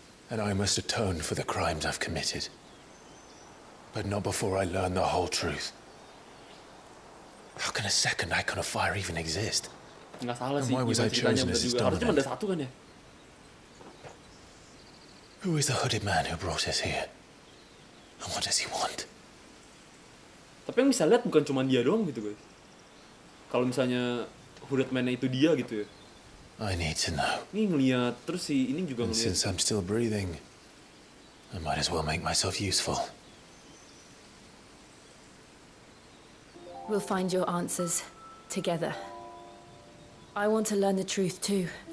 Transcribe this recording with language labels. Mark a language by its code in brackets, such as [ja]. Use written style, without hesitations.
[en] And I must atone for the crimes I've committed. But not before I learn the whole truth. How can a second icon of fire even exist? [id] Nggak salah sih. [en] And why was I chosen as his dominant? Who is the hooded man who brought us here? And what does he want? [id] Tapi yang bisa lihat bukan cuma dia doang gitu guys. Kalau misalnya hooded man itu dia gitu ya. [en] I need to know. [id] Ini ngeliat terus sih, ini juga ngeliat. [en] And since I'm still breathing, I might as well make myself useful. We'll find your answers together. I want to learn the truth too.